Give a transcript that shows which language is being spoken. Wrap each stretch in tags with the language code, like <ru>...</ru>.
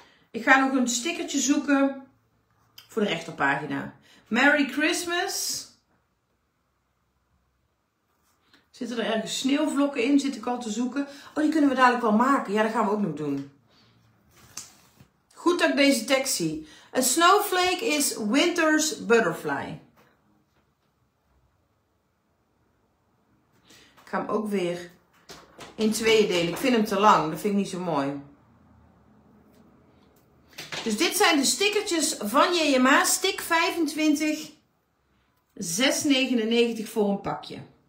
<nl>Ik ga nog een stickertje zoeken voor de rechterpagina.</nl> <en>Merry Christmas.</en> <nl>Zitten er ergens sneeuwvlokken in? Zit ik al te zoeken. Oh, die kunnen we dadelijk wel maken. Ja, dat gaan we ook nog doen. Goed dat ik deze tekst zie.</nl> <en>A snowflake is winter's butterfly.</en> <nl>Ik ga hem ook weer in 2 delen. Ik vind hem te lang. Dat vind ik niet zo mooi. Dus dit zijn de stickertjes van JMA. Stick 25. €6,99 voor een pakje.</nl>